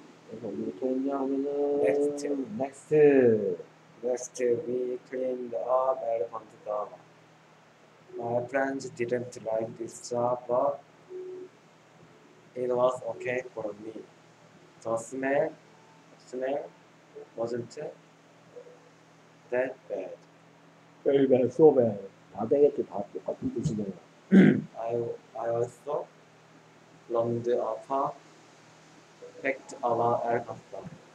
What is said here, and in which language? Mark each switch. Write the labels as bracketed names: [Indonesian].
[Korean] 그래서 어떻게 했냐 하면은 [English] Next we cleaned up elephant dung. My friends didn't like this job, but it was okay for me. The smell wasn't that bad. Very bad, so bad. [Korean] 나대게트 다 똑같은 뜻이네. [English] I also learned a fact about elephant dung.